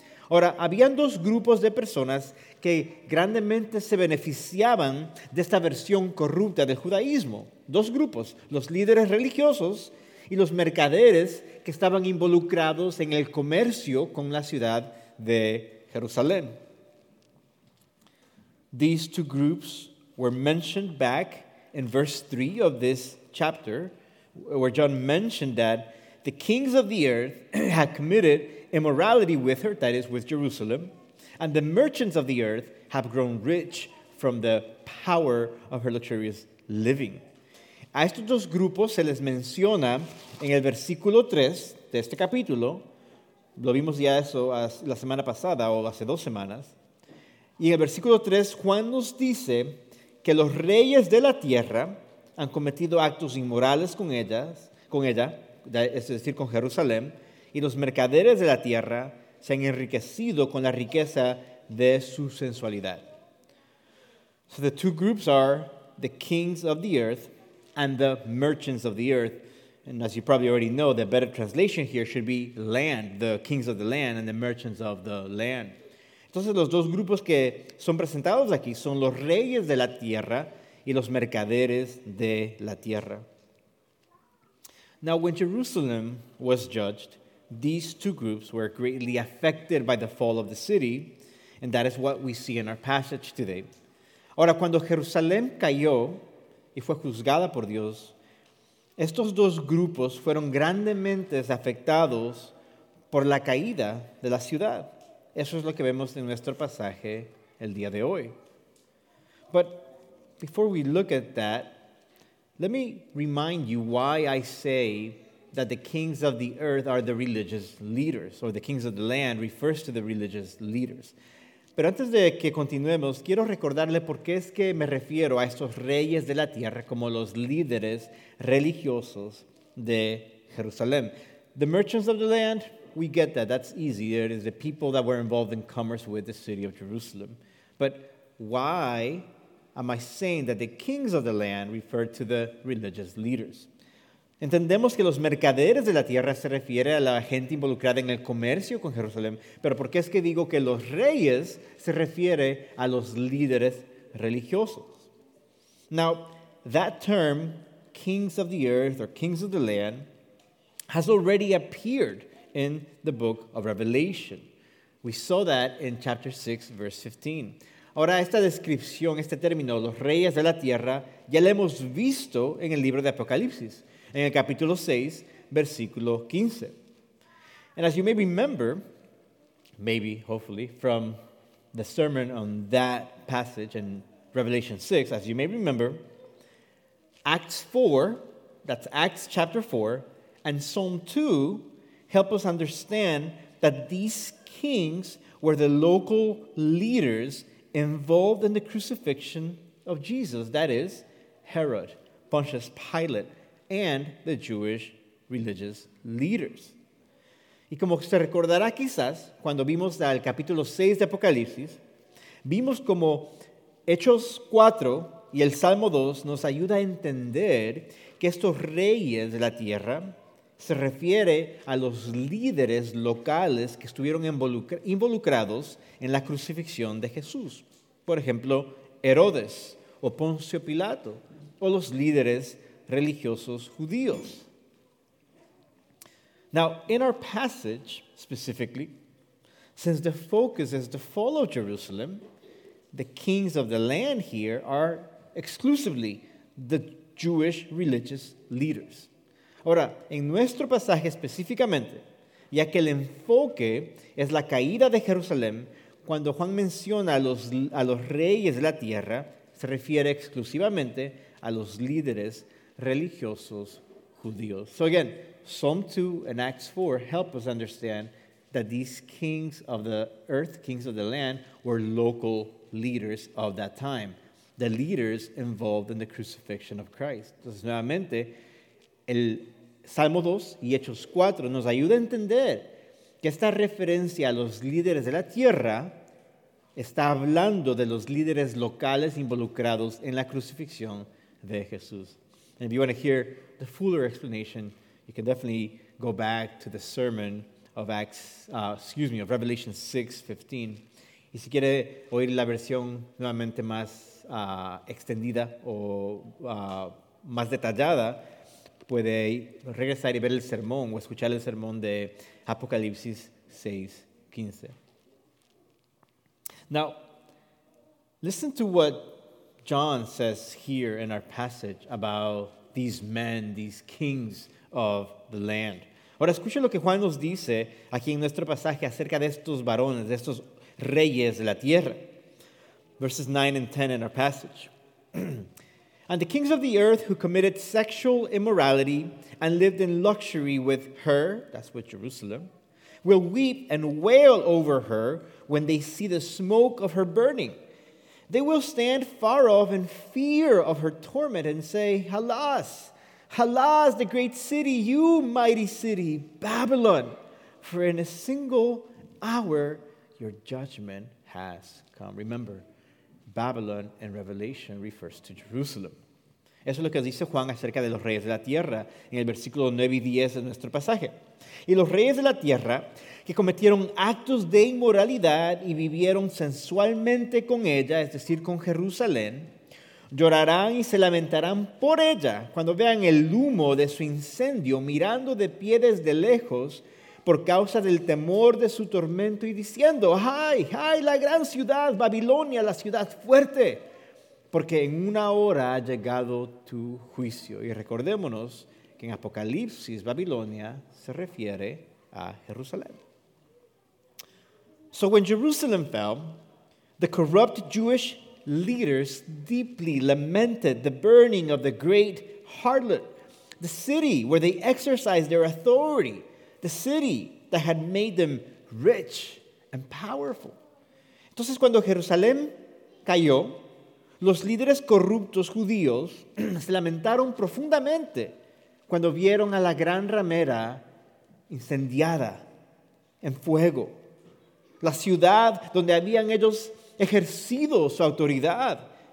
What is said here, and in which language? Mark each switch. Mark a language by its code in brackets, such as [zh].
[es] Ahora, habían dos grupos de personas que grandemente se beneficiaban de esta versión corrupta del judaísmo. Dos grupos: los líderes religiosos y los mercaderes que estaban involucrados en el comercio con la ciudad de Jerusalén. [en] These two groups were mentioned back in verse 3 of this chapter, where John mentioned that the kings of the earth had committed immorality with her, that is, with Jerusalem, and the merchants of the earth have grown rich from the power of her luxurious living. [es] A estos dos grupos se les menciona en el versículo 3 de este capítulo. Lo vimos ya eso la semana pasada o hace dos semanas. Y en el versículo 3, Juan nos dice que los reyes de la tierra han cometido actos inmorales con ella, es decir, con Jerusalén, y los mercaderes de la tierra se han enriquecido con la riqueza de su sensualidad. [en] So the two groups are the kings of the earth and the merchants of the earth. And as you probably already know, the better translation here should be land, the kings of the land and the merchants of the land. [es] Entonces, los dos grupos que son presentados aquí son los reyes de la tierra y los mercaderes de la tierra. [en] Now, when Jerusalem was judged, these two groups were greatly affected by the fall of the city, and that is what we see in our passage today. [es] Ahora, cuando Jerusalén cayó y fue juzgada por Dios, estos dos grupos fueron grandemente afectados por la caída de la ciudad. Eso es lo que vemos en nuestro pasaje el día de hoy. [en] But before we look at that, let me remind you why I say that the kings of the earth are the religious leaders, or the kings of the land refers to the religious leaders. [es] Pero antes de que continuemos, quiero recordarle por qué es que me refiero a estos reyes de la tierra como los líderes religiosos de Jerusalén. [en] The merchants of the land, we get that, that's easy. It is the people that were involved in commerce with the city of Jerusalem. But why am I saying that the kings of the land refer to the religious leaders? [es] Entendemos que los mercaderes de la tierra se refiere a la gente involucrada en el comercio con Jerusalén, pero ¿por qué es que digo que los reyes se refiere a los líderes religiosos? [en] Now, that term, kings of the earth or kings of the land, has already appeared in the book of Revelation. We saw that in chapter 6, verse 15. [es] Ahora, esta descripción, este término, los reyes de la tierra, ya lo hemos visto en el libro de Apocalipsis. En el capítulo 6, versículo 15. [en] And as you may remember, maybe, hopefully, from the sermon on that passage in Revelation 6, as you may remember, Acts 4, that's Acts chapter 4, and Psalm 2 help us understand that these kings were the local leaders involved in the crucifixion of Jesus, that is, Herod, Pontius Pilate, and the Jewish religious leaders. [es] Y como se recordará quizás, cuando vimos el capítulo 6 de Apocalipsis, vimos como Hechos 4 y el Salmo 2 nos ayuda a entender que estos reyes de la tierra se refiere a los líderes locales que estuvieron involucrados en la crucifixión de Jesús. Por ejemplo, Herodes o Poncio Pilato o los líderes religiosos judíos. [en] Now, in our passage specifically, since the focus is the fall of Jerusalem, the kings of the land here are exclusively the Jewish religious leaders. [es] Ahora, en nuestro pasaje específicamente, ya que el enfoque es la caída de Jerusalén, cuando Juan menciona a los reyes de la tierra, se refiere exclusivamente a los líderes religiosos judíos. [en] So again, Psalm 2 and Acts 4 help us understand that these kings of the earth, kings of the land, were local leaders of that time, the leaders involved in the crucifixion of Christ. [es] Entonces, nuevamente, el Salmo 2 y Hechos 4 nos ayuda a entender que esta referencia a los líderes de la tierra está hablando de los líderes locales involucrados en la crucifixión de Jesús. [en] And if you want to hear the fuller explanation, you can definitely go back to the sermon of Revelation 6:15. [es] Y si quiere oír la versión nuevamente más extendida o más detallada, puede regresar y ver el sermón o escuchar el sermón de Apocalipsis 6:15. [en] Now, listen to what John says here in our passage about these men, these kings of the land. [es] Ahora, escuche lo que Juan nos dice aquí en nuestro pasaje acerca de estos varones, de estos reyes de la tierra. [en] Verses 9 and 10 in our passage. And the kings of the earth who committed sexual immorality and lived in luxury with her, that's with Jerusalem, will weep and wail over her when they see the smoke of her burning. They will stand far off in fear of her torment and say, "Alas, alas, the great city, you mighty city, Babylon, for in a single hour your judgment has come." Remember, Babylon in Revelation refers to Jerusalem. [es] Eso es lo que dice Juan acerca de los reyes de la tierra en el versículo 9 y 10 de nuestro pasaje. Y los reyes de la tierra que cometieron actos de inmoralidad y vivieron sensualmente con ella, es decir, con Jerusalén, llorarán y se lamentarán por ella cuando vean el humo de su incendio mirando de pie desde lejos por causa del temor de su tormento y diciendo, ¡ay, ay, la gran ciudad, Babilonia, la ciudad fuerte! Porque en una hora ha llegado tu juicio. Y recordémonos que en Apocalipsis, Babilonia se refiere a Jerusalén. [en] So when Jerusalem fell, the corrupt Jewish leaders deeply lamented the burning of the great harlot, the city where they exercised their authority, the city that had made them rich and powerful. [es] Entonces, cuando Jerusalén cayó, los líderes corruptos judíos se lamentaron profundamente cuando vieron a la gran ramera incendiada en fuego. La ciudad donde habían ellos ejercido su autoridad.